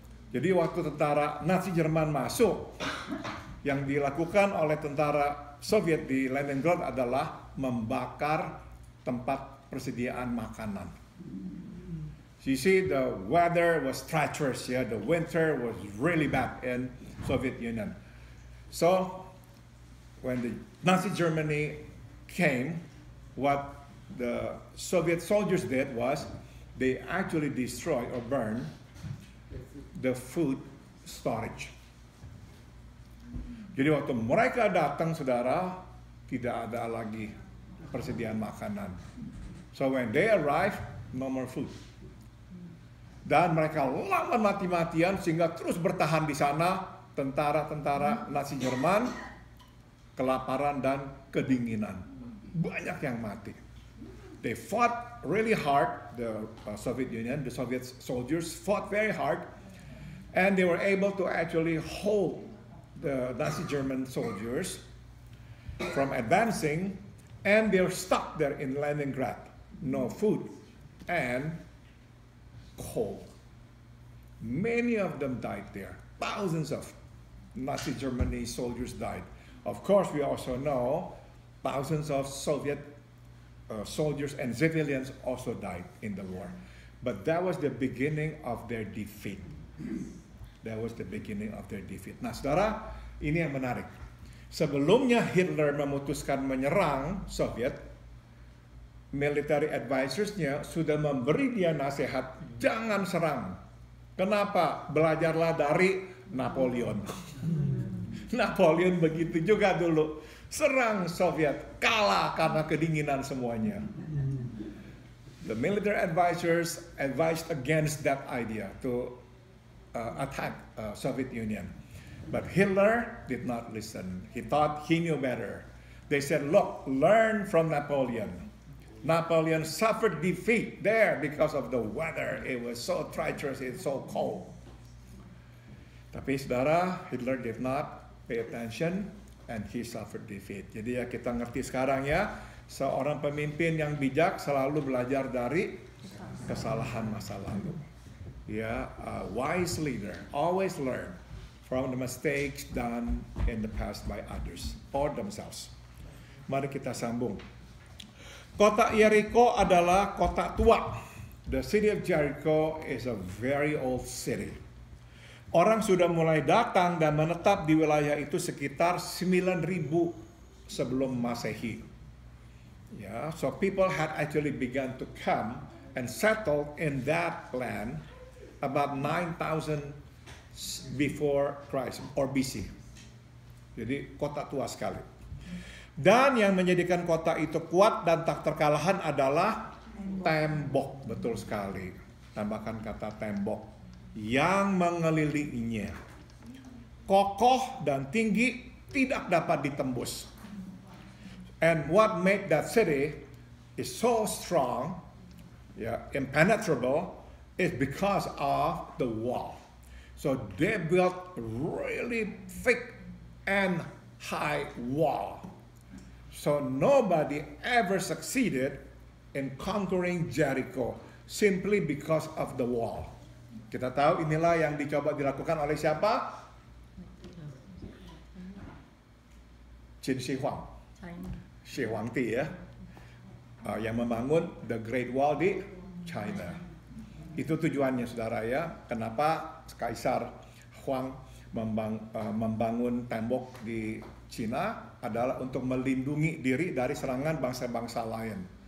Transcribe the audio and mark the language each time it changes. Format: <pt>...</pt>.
<id>Jadi waktu tentara Nazi Jerman masuk, yang dilakukan oleh tentara Soviet di Leningrad adalah membakar tempat persediaan makanan.</id> <en>You see, the weather was treacherous, yeah. The winter was really bad in Soviet Union. So, when the Nazi Germany came, what the Soviet soldiers did was they actually destroyed or burned the food storage.</en> <id>Jadi waktu mereka datang, saudara, tidak ada lagi persediaan makanan.</id> <en>So when they arrive, no more food.</en> <id>Dan mereka lama mati-matian sehingga terus bertahan di sana, tentara-tentara Nazi Jerman, kelaparan dan kedinginan. Banyak yang mati.</id> <en>They fought really hard, the Soviet Union, the Soviet soldiers fought very hard, and they were able to actually hold the Nazi German soldiers from advancing, and they're stuck there in Leningrad. No food and cold. Many of them died there. Thousands of Nazi Germany soldiers died. Of course, we also know thousands of Soviet soldiers and civilians also died in the war. But that was the beginning of their defeat. That was the beginning of their defeat.</en> <id>Nah, saudara, ini yang menarik. Sebelumnya Hitler memutuskan menyerang Soviet, military advisors-nya sudah memberi dia nasihat, jangan serang. Kenapa? Belajarlah dari Napoleon. Napoleon begitu juga dulu. Serang Soviet, kalah karena kedinginan semuanya.</id> <en>The military advisors advised against that idea to attack Soviet Union. But Hitler did not listen. He thought he knew better. They said, look, learn from Napoleon. Napoleon suffered defeat there because of the weather. It was so treacherous, it's so cold.</en> <id>Tapi saudara,</id> <en>Hitler did not pay attention and he suffered defeat.</en> <id>Jadi ya kita ngerti sekarang ya, seorang pemimpin yang bijak selalu belajar dari kesalahan masa lalu.</id> <en>Ya, a wise leader always learn from the mistakes done in the past by others or themselves.</en> <id>Mari kita sambung. Kota Jericho adalah kota tua.</id> <en>The city of Jericho is a very old city.</en> <id>Orang sudah mulai datang dan menetap di wilayah itu sekitar 9000 sebelum Masehi.</id> <en>Yeah, so people had actually begun to come and settle in that land about 9000 before Christ or BC.</en> <id>Jadi kota tua sekali. Dan yang menjadikan kota itu kuat dan tak terkalahkan adalah tembok. Betul sekali. Tambahkan kata tembok. Yang mengelilinginya. Kokoh dan tinggi, tidak dapat ditembus.</id> <en>And what made that city is so strong, yeah, impenetrable, is because of the wall. So they built really thick and high wall. So nobody ever succeeded in conquering Jericho simply because of the wall.</en> <id>Kita tahu inilah yang dicoba dilakukan oleh siapa? Qin Shi Huang. Shi Huang Ti ya. Yang membangun the Great Wall di China. Itu tujuannya saudara ya. Kenapa Kaisar Huang membangun tembok di China adalah untuk melindungi diri dari serangan bangsa-bangsa lain.</id>